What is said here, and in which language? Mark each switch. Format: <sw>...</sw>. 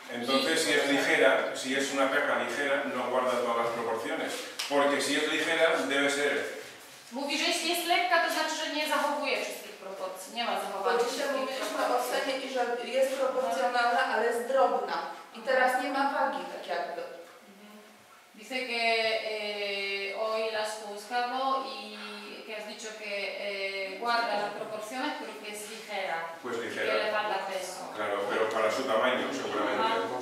<es>Entonces, si es ligera, si es una perra ligera, no guarda todas las proporciones. Porque si es ligera, debe ser.</es> <pl>Mówi, że jeśli jest lekka, to znaczy, że nie zachowuje wszystkich proporcji. Nie ma zachowania. Dzisiaj mówiliśmy o ocenie i że jest proporcjonalna, ale jest drobna. I teraz nie ma wagi, tak jakby.</pl> <es>Dice que hoy la has buscado y que has dicho que guarda las proporciones porque es ligera. Pues ligera. Que le falta peso. Claro, pero para su tamaño, seguramente.</es>